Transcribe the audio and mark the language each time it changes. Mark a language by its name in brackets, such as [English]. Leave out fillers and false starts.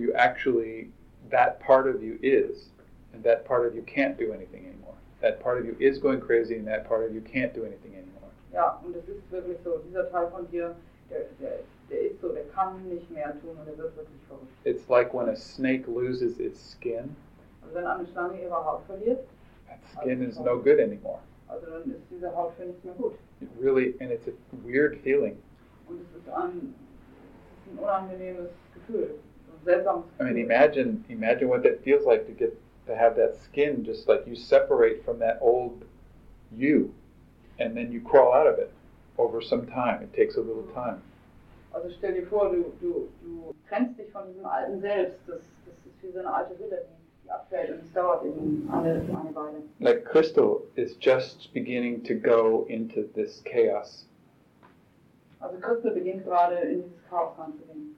[English] You actually, that part of you is, and that part of you can't do anything anymore. That part of you is going crazy, and that part of you can't do anything anymore. [German] Ja, und das ist wirklich so, dieser Teil von dir, der ist so, der kann nicht mehr tun und er wird wirklich verrückt. [English] It's like when a snake loses its skin. [German] Also wenn eine Schlange ihre Haut verliert, [English] that skin also is no good anymore. [German] Also dann ist diese Haut für nicht mehr gut. [English] It really, and it's a weird feeling. [German] Und es ist ein unangenehmes Gefühl, ein seltsames Gefühl. [English] I mean, imagine what that feels like to have that skin just like you separate from that old you. And then you crawl out of it over some time. It takes a little time. [German] Also stell dir vor, du trennst dich von diesem alten Selbst. Das ist wie so eine alte Hülle, die abfällt, und es dauert eben eine Weile. [English] Like Crystal is just beginning to go into this chaos. [German] Also Crystal beginnt gerade in dieses Chaos reinzugehen.